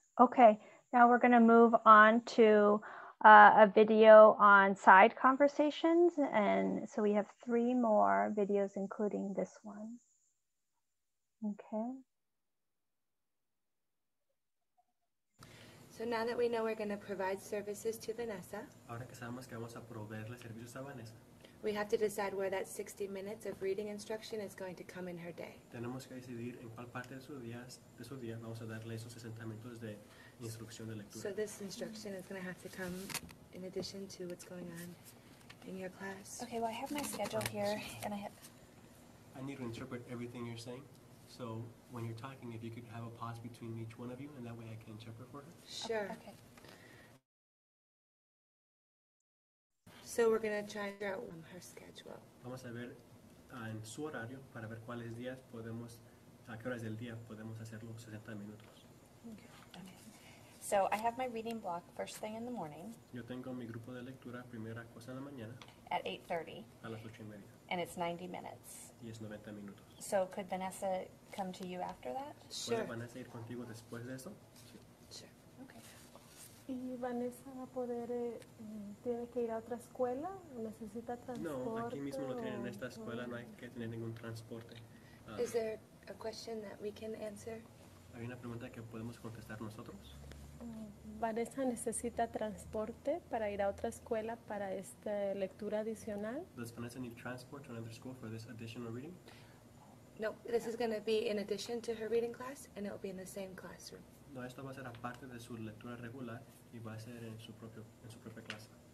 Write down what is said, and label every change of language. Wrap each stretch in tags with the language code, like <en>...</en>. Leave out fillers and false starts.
<en>Okay, now we're going to move on to a video on side conversations. And so we have three more videos, including this one. Okay. So now that we know we're going to provide services to Vanessa,</en> <es>ahora que sabemos que vamos a proveerle servicios a Vanessa,</es> <en>we have to decide where that 60 minutes of reading instruction is going to come in her day.</en> <es>Tenemos que decidir en cuál parte de su día vamos a darle esos 60 minutos de instrucción de lectura.</es> <en>So this instruction is going to have to come in addition to what's going on in your class. Okay, well, I have my schedule here, and I need to interpret everything you're saying. So when you're talking, if you could have a pause between each one of you, and that way I can interpret for her. Sure. Okay. So we're going to try and figure out her schedule.</en> <es>Vamos a ver en su horario para ver cuáles días podemos, a qué horas del día podemos hacer los 60 minutos.</es> <en>Okay. So I have my reading block first thing in the morning.</en> <es>Yo tengo mi grupo de lectura primera cosa en la mañana.</es> <en>At 8:30.</en> <es>A las 8:30.</es> <en>And it's 90 minutes.</en> <es>Y es 90 minutos.</es> <en>So could Vanessa come to you after that? Sure.</en> <es>¿Puede Vanessa ir contigo después de eso?</es> <en>Sure. Okay.</en> <es>¿Y Vanessa va a poder, tiene que ir a otra escuela? ¿Necesita transporte? No, aquí mismo lo tienen en esta escuela, no hay que tener ningún transporte.</es> <en>Is there a question that we can answer?</en> <es>¿Hay una pregunta que podemos contestar nosotros? Vanessa necesita transporte para ir a otra escuela para esta lectura adicional.</es> <en>Does Vanessa need transport to another school for this additional reading? No, this is going to be in addition to her reading class, and it will be in the same classroom.</en> <es>No, esto va a ser aparte de su lectura regular y va a ser en su propio en su propia clase.</es>